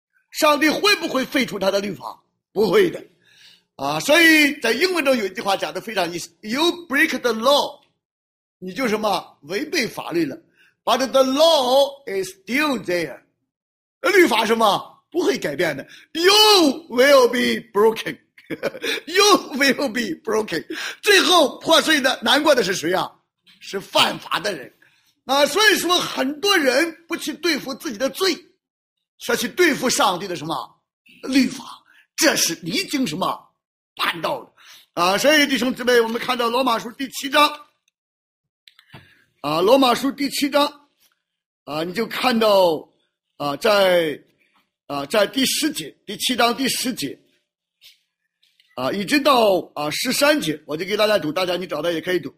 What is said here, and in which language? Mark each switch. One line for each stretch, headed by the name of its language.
Chinese: 上帝会不会废除他的律法？不会的啊。所以在英文中有一句话讲得非常意思，
English: You break the law，
Chinese: 你就什么违背法律了，
English: But the law is still there，
Chinese: 律法什么不会改变的。
English: You will be broken， You will be broken，
Chinese: 最后破碎的难过的是谁啊？是犯法的人啊。所以说很多人不去对付自己的罪，却去对付上帝的什么律法，这是离经什么叛道的啊。所以弟兄姊妹，我们看到罗马书第七章啊，罗马书第七章啊，你就看到啊，在啊，在第十节，第七章第十节啊，一直到啊十三节，我就给大家读，大家你找到也可以读。